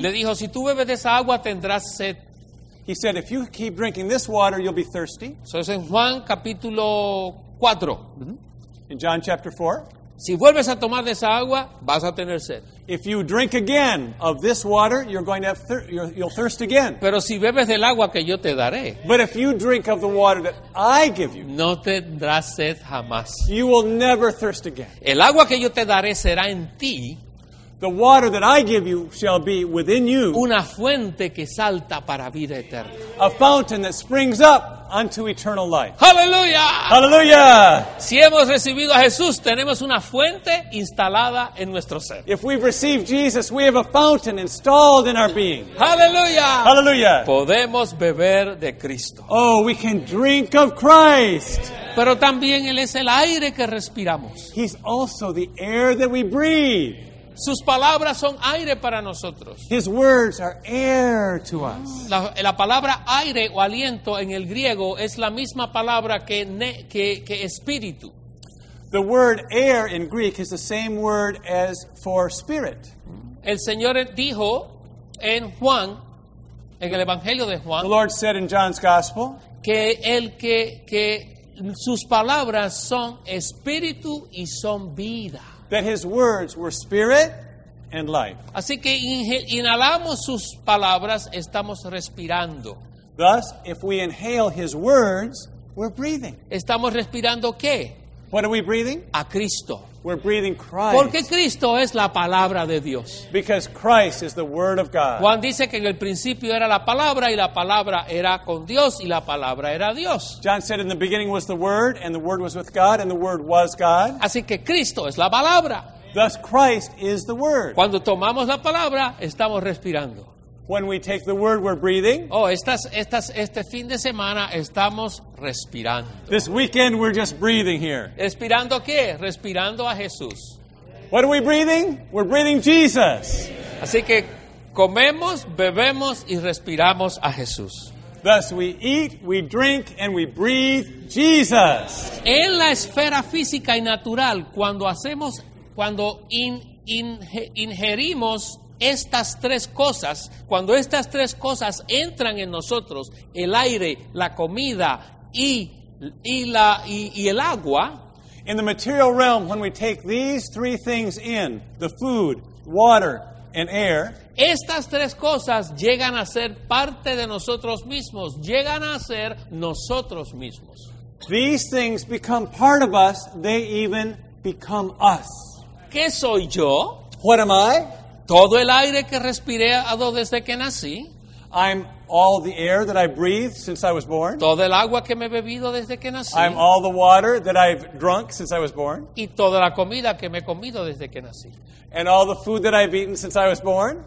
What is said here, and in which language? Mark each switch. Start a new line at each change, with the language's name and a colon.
Spanish: Le dijo, si tú bebes de esa agua tendrás sed.
English: He said, if you keep drinking this water, you'll be thirsty. So it's in Juan
Spanish: capítulo 4.
English: In John chapter 4.
Spanish: Si vuelves a tomar de esa agua, vas a tener sed.
English: If you drink again of this water, you're going to have you'll thirst again.
Spanish: Pero si bebes del agua que yo te daré.
English: But if you drink of the water that I give you,
Spanish: no tendrás sed jamás.
English: You will never thirst again.
Spanish: El agua que yo te daré será en ti.
English: The water that I give you shall be within you.
Spanish: Una fuente que salta para vida eterna.
English: A fountain that springs up unto eternal life. Hallelujah! Hallelujah!
Spanish: Si hemos recibido a Jesús, tenemos una fuente instalada en nuestro ser.
English: If we've received Jesus, we have a fountain installed in our being. Hallelujah! Hallelujah!
Spanish: Podemos beber de Cristo.
English: Oh, we can drink of Christ.
Spanish: Pero también Él es el aire que respiramos.
English: He's also the air that we breathe.
Spanish: Sus palabras son aire para nosotros.
English: His words are air to us.
Spanish: La palabra aire o aliento en el griego es la misma palabra que espíritu.
English: The word air in Greek is the same word as for spirit.
Spanish: El Señor dijo en Juan, en el Evangelio de Juan.
English: The Lord said in John's Gospel.
Spanish: Que sus palabras son espíritu y son vida.
English: That his words were spirit and life.
Spanish: Así que inhalamos sus palabras, estamos respirando.
English: Thus, if we inhale his words, we're breathing.
Spanish: ¿Estamos respirando qué?
English: What are we breathing?
Spanish: A Cristo.
English: We're breathing Christ.
Spanish: Porque Cristo es la palabra de Dios.
English: Because Christ is the word of God.
Spanish: Juan dice que en el principio era la palabra y la palabra era con Dios y la palabra era Dios.
English: John said in the beginning was the word and the word was with God and the word was God.
Spanish: Así que Cristo es la palabra.
English: Thus Christ is the word.
Spanish: Cuando tomamos la palabra, estamos respirando.
English: When we take the word, we're breathing.
Spanish: Oh, este fin de semana estamos respirando.
English: This weekend, we're just breathing here.
Spanish: ¿Respirando qué? Respirando a Jesús.
English: What are we breathing? We're breathing Jesus.
Spanish: Así que comemos, bebemos y respiramos a Jesús.
English: Thus we eat, we drink, and we breathe Jesus.
Spanish: En la esfera física y natural, cuando ingerimos estas tres cosas, cuando estas tres cosas entran en nosotros, el aire, la comida y el agua.
English: In the material realm, when we take these three things in, the food, water, and air.
Spanish: Estas tres cosas llegan a ser parte de nosotros mismos, llegan a ser nosotros mismos.
English: These things become part of us, they even become us.
Spanish: ¿Qué soy yo?
English: What am I?
Spanish: Todo el aire que respiré desde que nací.
English: I'm all the air that I breathed since I was born.
Spanish: Todo el agua que me he bebido desde que nací.
English: I'm all the water that I've drunk since I was born.
Spanish: Y toda la comida que me he comido desde que nací.
English: And all the food that I've eaten since I was born.